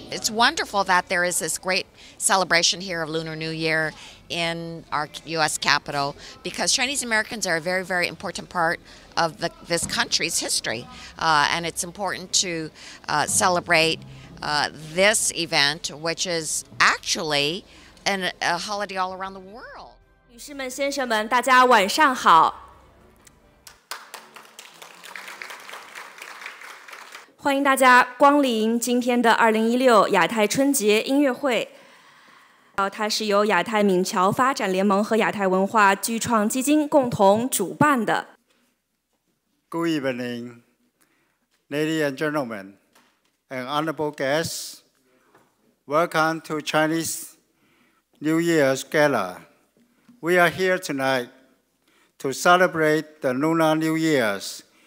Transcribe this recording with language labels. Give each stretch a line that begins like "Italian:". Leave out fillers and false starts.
English: wonderful that there is this great celebration here of Lunar New Year in our U.S. Capitol, because Chinese Americans are a very, very important part of this country's history. And it's important to celebrate this event, which is actually a holiday all around the world.
Chinese: 女士们、先生们，大家晚上好。欢迎大家光临今天的2016亚太春节音乐会。它是由亚太闽侨发展联盟和亚太文化剧创基金共同主办的。
English: Good evening, ladies and gentlemen, and honorable guests. Welcome to Chinese New Year's Gala. We are here tonight to celebrate the Lunar New Year's.